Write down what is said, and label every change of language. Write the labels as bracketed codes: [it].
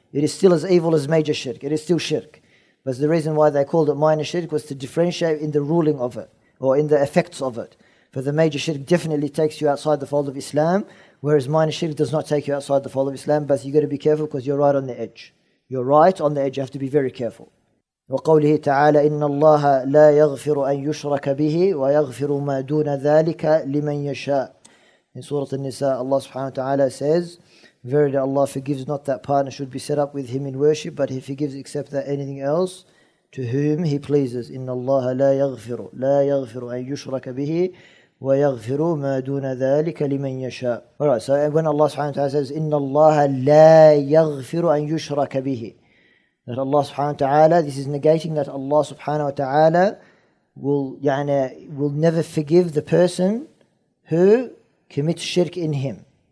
[en] It is still as evil as major shirk. It is still shirk. But the reason why they called it minor shirk was to differentiate in the ruling of it or in the effects of it. For the major shirk definitely takes you outside the fold of Islam, whereas minor shirk does not take you outside the fold of Islam. But you got to be careful because you're right on the edge. You're right on the edge. You have to be very careful. [ar] وقوله تعالى إن الله لا يغفر أن يشرك به ويغفر ما دون ذلك لمن يشاء. [en] In Surah An-Nisa, Allah subhanahu wa ta'ala says, verily Allah forgives not that partner should be set up with him in worship, but he forgives except that anything else to whom he pleases. [ar] إن الله لا يغفر أن يشرك به ويغفر ما دون ذلك لمن يشاء. [en] Alright, so when Allah subhanahu wa ta'ala says, [ar] إن الله لا يغفر أن يشرك به. [en] That Allah subhanahu wa ta'ala, this is negating that Allah subhanahu wa ta'ala will never forgive the person who commits shirk in him.